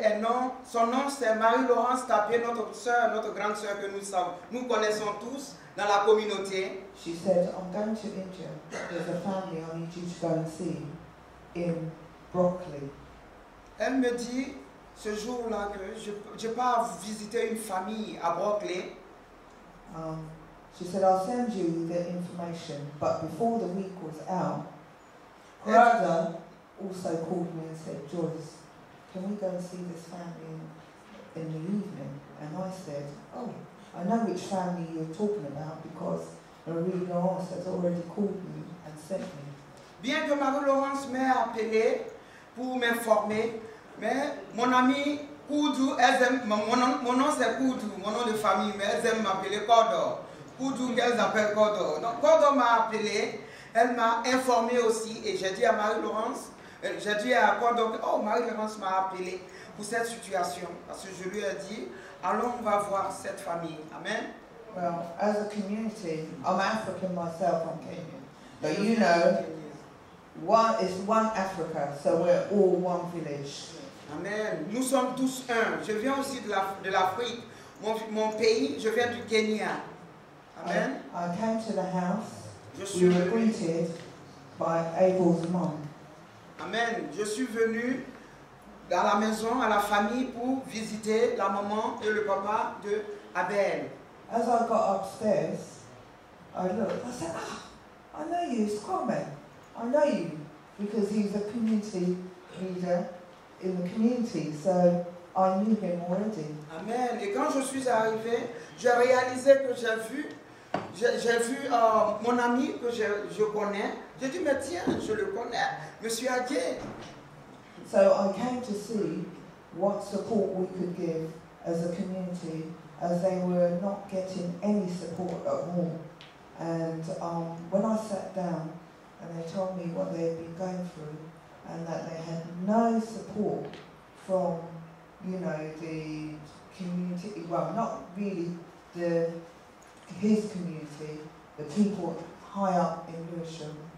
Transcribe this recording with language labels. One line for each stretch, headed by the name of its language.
French: Et non, son nom c'est Marie-Laurence Taupin, notre soeur, notre grande soeur que nous savons. Nous connaissons tous dans la communauté.
English: She said, I'm going to India. There's a family I need you to go and see in Broccoli.
French: Elle me dit ce jour-là que je pars visiter une famille à Broccoli.
English: She said, I'll send you the information, but before the week was out, Corrada also called me and said, Joyce, can we go and see this family in the evening? And I said, oh, I know which family you're talking about because Marie-Laurence has already called me and sent me.
French: Bien que Marie-Laurence m'ait appelé pour m'informer, mais mon ami Koudou, mon nom c'est Koudou, mon nom de famille, mais elle aime m'appeler Cordo. Koudou, qu'elle s'appelle Kodo. Donc Kodo m'a appelé, elle m'a informé aussi et j'ai dit à Marie-Laurence, j'ai dit à Kodo, oh Marie-Laurence m'a appelé pour cette situation. Parce que je lui ai dit, allons on va voir cette famille.
English: Amen. Well, as a community, I'm African myself, I'm Kenyan. But you know, one is one Africa, so we're all one village.
French: Amen. Nous sommes tous un. Je viens aussi de l'Afrique. Mon pays, je viens du Kenya.
English: I came to the house. We were greeted by Abel's mom. Amen.
French: Je suis venu dans la maison à la famille pour visiter la maman et le papa de Abel.
English: As I got upstairs, I looked. I said, "Ah, I know you, Kwame. I know you because he's a community leader in the community." So. I knew him already. Amen.
French: Et quand je suis arrivé, j'ai réalisé que j'ai vu mon ami que je connais. J'ai dit, mais tiens, je le connais, Monsieur Adjé.
English: So I came to see what support we could give as a community, as they were not getting any support at all. And when I sat down, and they told me what they had been going through, and that they had no support from the community, well, not really his community, the people high up in Lewisham.